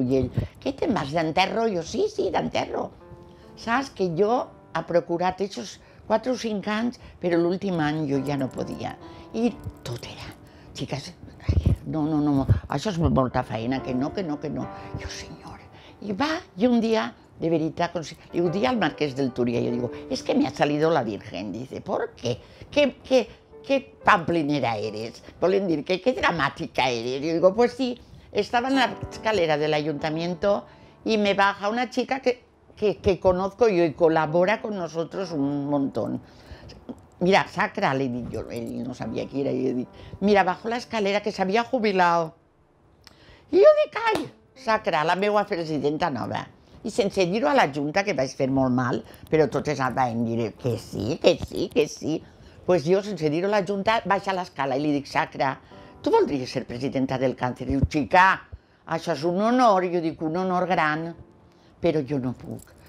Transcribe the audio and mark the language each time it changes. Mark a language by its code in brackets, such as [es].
[ca] I ell: què, te'n vas d'enterro? Jo: sí, sí, d'enterro. Saps que jo he procurat aquests 4 o 5 anys, però l'últim any jo ja no podia. I tot era: xiques, no, això és molta feina, que no. Jo: senyor. I va, i un dia, de veritat, li ho dic al marquès del Túria, jo digo: és que [es] m'ha salido la Virgen. Dice: ¿por qué? ¿Qué pamplinera eres? [ca] Volen dir: [es] que qué dramática eres. Yo digo: pues sí, estaba en la escalera del ayuntamiento y me baja una chica que conozco yo y colabora con nosotros un montón. Mira, Sacra, le dije yo, él no sabía quién era, y le dije: mira, bajo la escalera, que se había jubilado. Y yo dije: ay, Sacra, [ca] la meua presidenta nova. I sense dir-ho a la Junta, que vaig fer molt mal, però totes em van dir que sí, que sí, que sí. Pues jo, sense dir-ho a la Junta, vaig a l'escala i li dic: Sacra, tu voldries ser presidenta del càncer? Diu: xica, això és un honor. Jo dic: un honor gran, però jo no puc.